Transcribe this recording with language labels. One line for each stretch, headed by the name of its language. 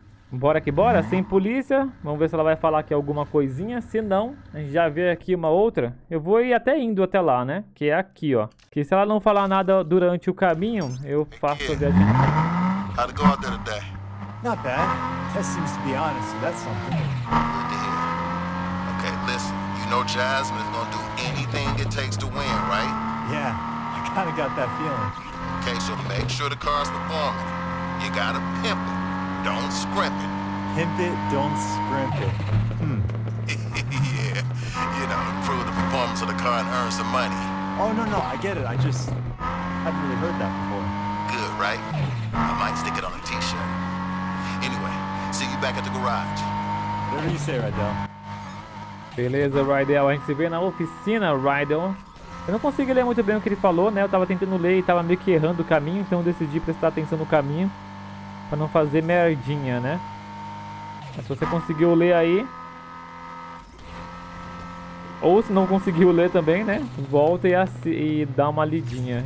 Portuguese: Bora que bora, sem polícia. Vamos ver se ela vai falar aqui alguma coisinha. Se não, a gente já vê aqui uma outra. Eu vou ir até indo até lá, né? Que é aqui, ó. Que se ela não falar nada durante o caminho, eu faço a viagem.
English: How'd it go out there today? Not bad. Test seems to be honest, so that's something. Good to hear. Okay, listen. You know Jasmine's gonna do anything it takes to win, right? Yeah, I kinda got that feeling. Okay, so make sure the car's performing. You gotta pimp it. Don't scrimp it. Pimp it, don't scrimp it. Yeah, you know, improve the performance of the car and earn some money. Oh, no, no, I get it. I just haven't really heard that before. Good, right? I might stick it on a t-shirt. Anyway, see you back at the garage. Whatever you say, Rydell.
Portuguese: Beleza, Rydell. A gente se vê na oficina, Rydell. Eu não consegui ler muito bem o que ele falou, né? Eu tava tentando ler e tava meio que errando o caminho, então eu decidi prestar atenção no caminho. Pra não fazer merdinha, né? Mas se você conseguiu ler aí... Ou se não conseguiu ler também, né? Volta e dá uma lidinha.